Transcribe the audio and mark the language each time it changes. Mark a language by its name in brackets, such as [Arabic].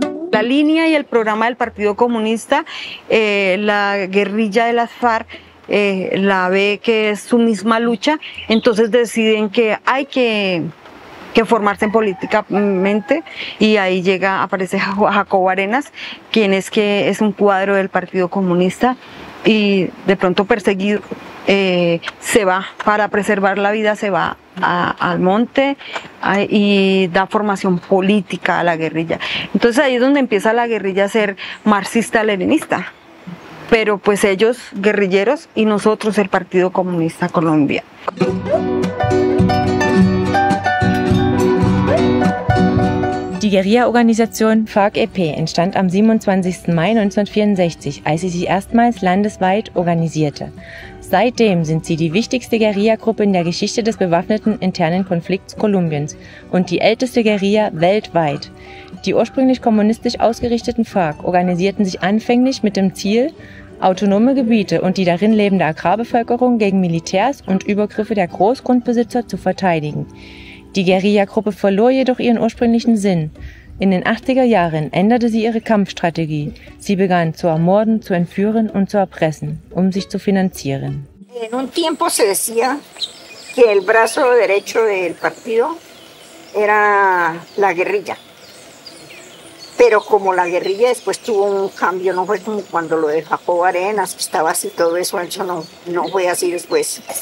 [Spanish] La línea y el programa del Partido Comunista, la guerrilla de las FARC, la ve que es su misma lucha, entonces deciden que hay que formarse en políticamente, y ahí llega, aparece Jacobo Arenas, quien es que es un cuadro del Partido Comunista, y de pronto perseguido, se va para preservar la vida, se va al monte y da formación política a la guerrilla. Entonces ahí es donde empieza la guerrilla a ser marxista-leninista, pero pues ellos guerrilleros y nosotros el Partido Comunista Colombia. [German] Die Guerilla-Organisation FARC-EP entstand am 27. Mai 1964, als sie sich erstmals landesweit organisierte. Seitdem sind sie die wichtigste Guerilla-Gruppe in der Geschichte des bewaffneten internen Konflikts Kolumbiens und die älteste Guerilla weltweit. Die ursprünglich kommunistisch ausgerichteten FARC organisierten sich anfänglich mit dem Ziel, autonome Gebiete und die darin lebende Agrarbevölkerung gegen Militärs und Übergriffe der Großgrundbesitzer zu verteidigen. Die Guerilla-Gruppe verlor jedoch ihren ursprünglichen Sinn. In den 80er Jahren änderte sie ihre Kampfstrategie. Sie begann zu ermorden, zu entführen und zu erpressen, um sich zu finanzieren. [Spanish] En un tiempo se decía que el brazo derecho del partido era la guerrilla. Pero como la guerrilla después tuvo un cambio, no fue como cuando lo de Jacobo Arenas, que estaba así todo eso, hecho, no fue así después.